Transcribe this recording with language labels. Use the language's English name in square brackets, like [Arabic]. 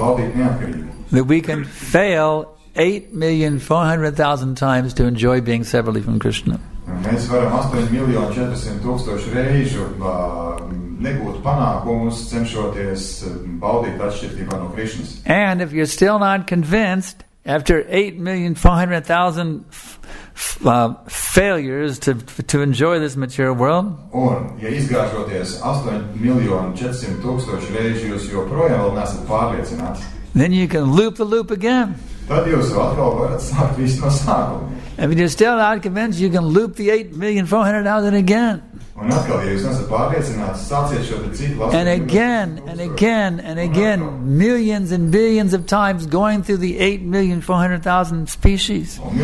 [English] That we can fail 8,400,000 times to enjoy being separately from Krishna. [Latvian] Mēs varam 8,400,000 reižu negūt panākumus, cenšoties baudīt atšķirtībā no Krišnas. [English] And if you're still not convinced, after 8,400,000 failures to enjoy this material world, [Latvian] un, ja izgāžoties 8,400,000 reižu, jūs joprojām vēl nesat pārliecināti, [English] then you can loop the loop again. [Latvian] Tad jūs atkal varat sākt visu no sākuma. [English] And if you're still not convinced, you can loop the 8,400,000 again. And again, and again, and again, millions and billions of times going through the 8,400,000 species.